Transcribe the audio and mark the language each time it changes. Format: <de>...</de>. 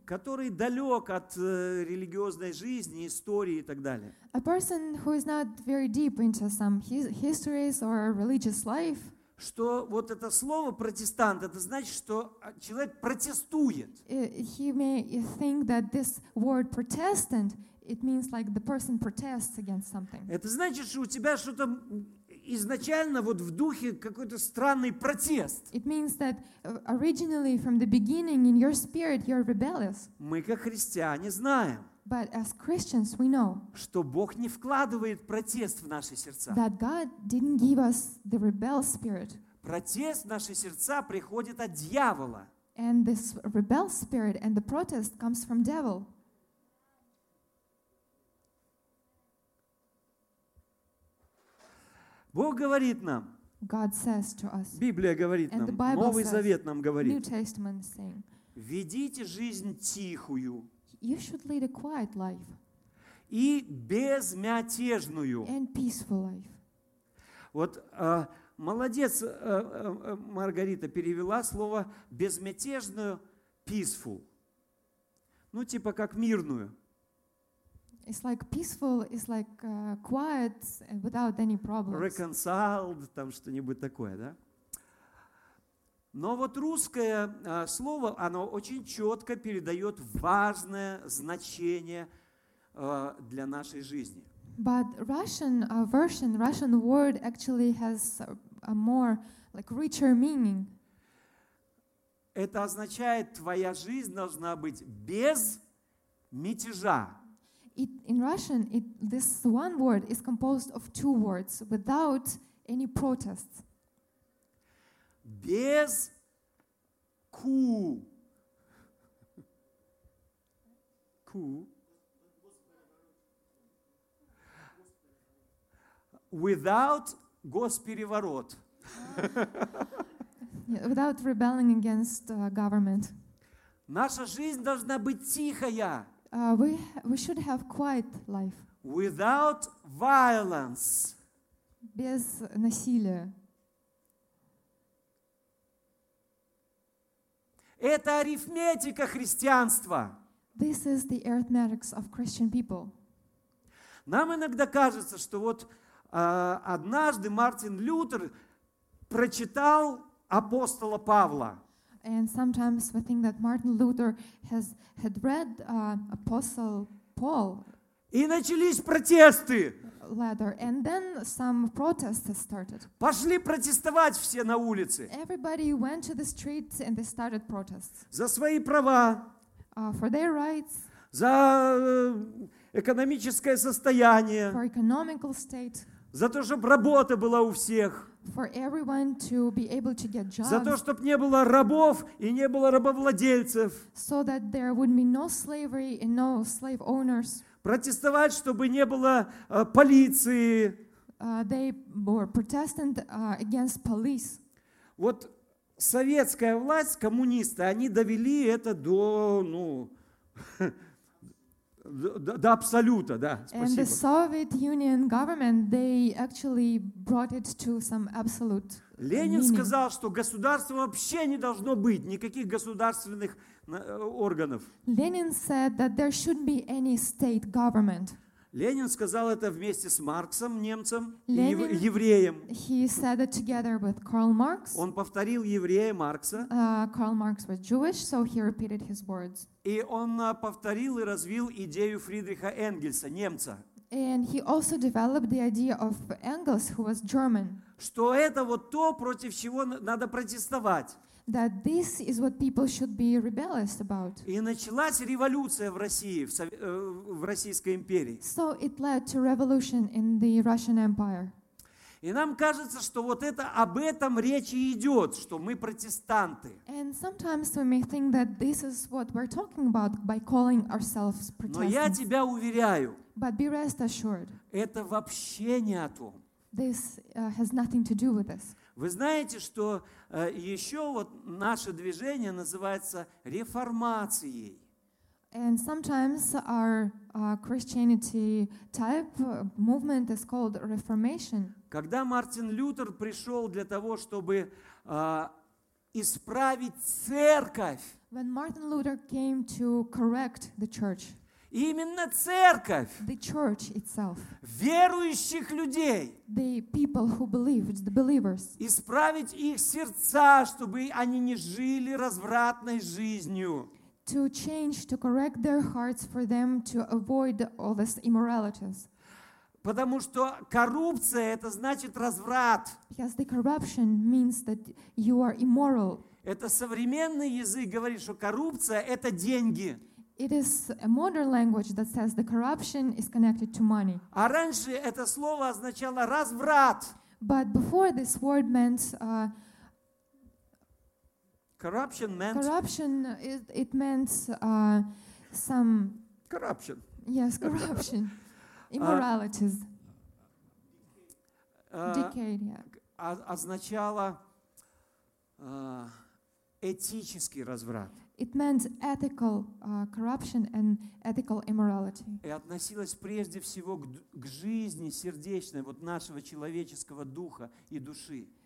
<ru>который далек от религиозной жизни, истории и так далее.</ru> <en>A person who is not very deep into some histories or religious life.</en> <ru>Что вот это слово протестант, это значит, что человек протестует.</ru> <en>He may think that this word protestant, it means like the person protests against something.</en> <ru>Это значит, что у тебя что-то изначально вот в духе какой-то странный протест.</ru> <en>It means that originally from the beginning in your spirit you're rebellious.</en> <ru>Мы как христиане знаем.</ru> <en>But as Christians, we know</en> <ru>что Бог не вкладывает протест в наши сердца.</ru> <en>That God didn't give us the rebel spirit.</en> <ru>Протест в наши сердца приходит от дьявола.</ru> <en>And this rebel spirit and the protest comes from devil.</en> <ru>Бог говорит нам.</ru> <en>God says to us.</en> <ru>Библия говорит</ru> <en>and</en> <ru>нам.</ru> <en>The Bible</en> <ru>Новый</ru> <en>says,</en> <ru>Завет нам говорит.</ru> <en>New Testament is saying.</en> <ru>Ведите жизнь тихую.</ru> <en>You should lead a quiet life.</en> <ru>И безмятежную.</ru> <en>And peaceful life.</en> <ru>Вот молодец, Маргарита перевела слово безмятежную peaceful. Ну типа как мирную.</ru> <en>It's like peaceful, it's like quiet and without any problems.</en> <ru>Reconciled, там что-нибудь такое, да? Но вот русское слово, оно очень четко передает важное значение для нашей жизни.</ru> <en>But Russian version, Russian word actually has a more like richer meaning.</en> <ru>Это означает, твоя жизнь должна быть без мятежа.</ru> <en>In Russian, this one word is composed of two words without any protests.</en> <ru>Без ку. Ку.</ru> <en>Without</en> <ru>госпереворот.</ru> <en>Without rebelling against government.</en> <ru>Наша жизнь должна быть тихая.</ru> <en>We should have quiet life. Without violence.</en> <ru>Без насилия. Это арифметика христианства.</ru> <en>This is the arithmetic of Christian people.</en> <ru>Нам иногда кажется, что вот однажды Мартин Лютер прочитал апостола Павла.</ru> <en>And sometimes we think that Martin Luther had read Apostle Paul.</en> <ru>И начались протесты.</ru> <en>Letter, and then some protests started.</en> <ru>Пошли протестовать все на улице.</ru> <en>Everybody went to the streets and they started protests.</en> <ru>За свои права.</ru> <en>For their rights.</en> <ru>За экономическое состояние.</ru> <en>For economical state.</en> <ru>За то, чтобы работа была у всех.</ru> <en>For everyone to be able to get jobs.</en> <ru>За то, чтобы не было рабов и не было рабовладельцев.</ru> <en>So that there would be no slavery and no slave owners.</en> <ru>Протестовать, чтобы не было полиции.</ru> <en>They were protesting against police.</en> <ru>Вот советская власть, коммунисты, они довели это до, ну, до абсолюта, да. Спасибо.</ru> <en>And the Soviet Union government, they actually brought it to some absolute meaning.</en> <ru>Ленин сказал, что государства вообще не должно быть, никаких государственных органов.</ru> <en>Lenin said that there shouldn't be any state government.</en> <ru>Ленин сказал это вместе с Марксом, немцем, и евреем.</ru> <en>He said it together with Karl Marx.</en> <ru>Он повторил еврея Маркса.</ru> <en>Karl Marx was Jewish, so he repeated his words.</en> <ru>И он повторил и развил идею Фридриха Энгельса, немца.</ru> <en>And he also developed the idea of Engels, who was German.</en> <ru>Что это вот то, против чего надо протестовать.</ru> <en>That this is what people should be rebellious about.</en> <ru>И началась революция в России, в Российской империи.</ru> <en>So it led to revolution in the Russian Empire.</en> <ru>И нам кажется, что вот это об этом речи идет, что мы протестанты.</ru> <en>And sometimes we may think that this is what we're talking about by calling ourselves protestants.</en> <ru>Но я тебя уверяю.</ru> <en>But be rest assured.</en> <ru>Это вообще не о том.</ru> <en>This has nothing to do with this.</en> <ru>Вы знаете, что еще вот наше движение называется реформацией.</ru> <en>And sometimes our Christianity type movement is called Reformation.</en> <ru>Когда Мартин Лютер пришел для того, чтобы исправить церковь.</ru> <en>When Martin Luther came to correct the church.</en> <ru>Именно церковь.</ru> <en>The church itself.</en> <ru>Верующих людей.</ru> <en>The people who believed, the believers.</en> <ru>Исправить их сердца, чтобы они не жили развратной жизнью.</ru> <en>To change, to correct their hearts for them to avoid all these immoralities.</en> <ru>Потому что коррупция это значит разврат.</ru> <en>Because the corruption means that you are immoral.</en> <ru>Это современный язык говорит, что коррупция это деньги.</ru> <en>It is a modern language that says the corruption is connected to money.</en> <ru>А раньше это слово означало разврат.</ru> <en>But before this word meant corruption meant corruption. It meant some corruption. Yes, corruption, immoralities, decay. Yeah.</en> <ru>Означало этический разврат.</ru> <en>It meant ethical corruption and ethical immorality.</en> <ru>И относилось прежде всего к жизни сердечной вот нашего человеческого духа и души.</ru>